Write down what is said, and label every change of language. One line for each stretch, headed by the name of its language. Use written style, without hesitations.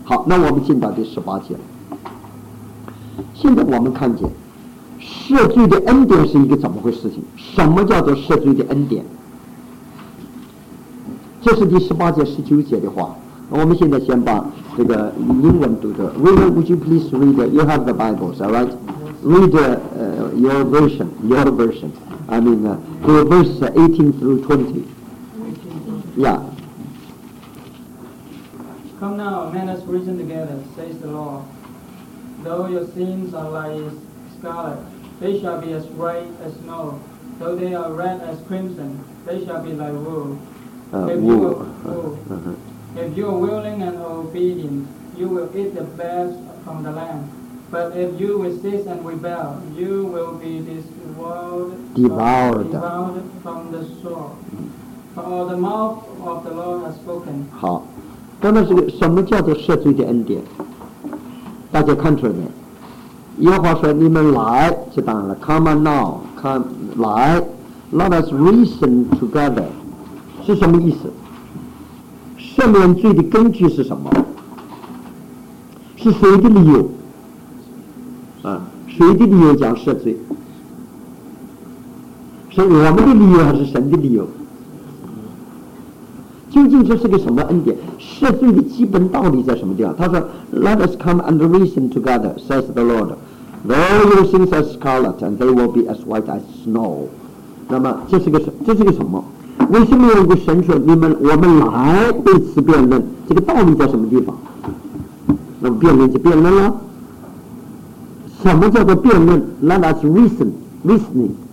Chinese: 好，那我们进到第十八节了。现在我们看见赦罪的恩典是一个怎么回事情，什么叫做赦罪的恩典？这是第十八节十九节的话，我们现在先把这个英文读的。
English: William, would you please read? You have the Bibles, all right? Read your version. I mean, the verse 18 through 20. Yeah. Come now, let us reason together, says the Lord. Though your sins are like scarlet, they shall be as white as snow. Though they are red as crimson, they shall be like wool. If you are willing and obedient, you will eat the best from the land. But if you resist and rebel, you will be this world devoured from the sword. For the mouth of the Lord has spoken.
Chinese: 好，刚才这个什么叫做赦罪的恩典？大家看出来没？耶和华说：“你们来，就当然了。
English: Come on now, come
Chinese: 来
English: ，Let us reason together。”
Chinese: 是什么意思？赦免罪的根据是什么？是谁的理由？谁的理由讲赦罪？是我们的理由还是神的理由？究竟这是个什么恩典？赦罪的基本道理在什么地方？他说
English: ：“Let us come and reason together, says the Lord. Though your sins are scarlet, and they will be as white as snow.”
Chinese: 那么这是个什么？为什么有个神说我们来对此辩论？这个道理在什么地方？那么辩论就辩论了。什么叫做辩论 ？
English: Let us reasoning。